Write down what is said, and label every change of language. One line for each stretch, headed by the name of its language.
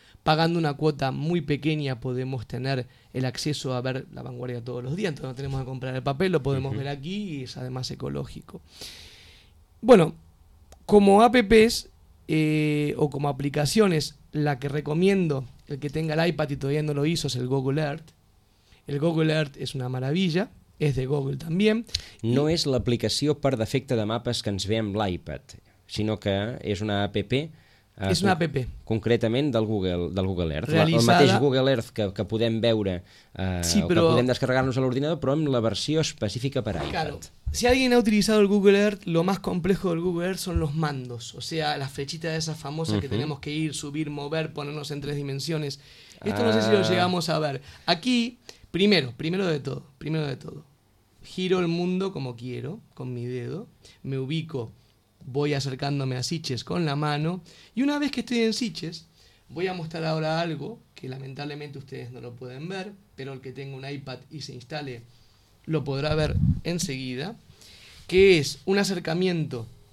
Spanish: Pagando una cuota muy pequeña podemos tener el acceso a ver La Vanguardia todos los días. Entonces no tenemos que comprar el papel, lo podemos uh-huh. ver aquí y es además ecológico. Bueno, como apps o como aplicaciones... La que recomiendo el que tenga el iPad y todavía no lo hizo, es el Google Earth. El Google Earth es una maravilla, es de Google también. No es la aplicación
Catalan: per defecte de mapas que ens ve amb l'iPad, sinó que és una app. És una app. Concretament del Google Earth. Realitzada... El mateix Google Earth que podem veure, sí, però... que podem descarregar-nos a l'ordinador, però amb la versió específica per iPad.
Spanish: Claro. Si alguien ha utilizado el Google Earth, lo más complejo del Google Earth son los mandos, o sea, las flechitas de esas famosas que tenemos que ir, subir, mover, ponernos en tres dimensiones. Esto no sé si lo llegamos a ver. Aquí, primero de todo, giro el mundo como quiero, con mi dedo, me ubico, voy acercándome a Sitges con la mano, y una vez que estoy en Sitges, voy a mostrar ahora algo, que lamentablemente ustedes no lo pueden ver, pero el que tenga un iPad y se instale lo podrá ver enseguida, que es un acercamiento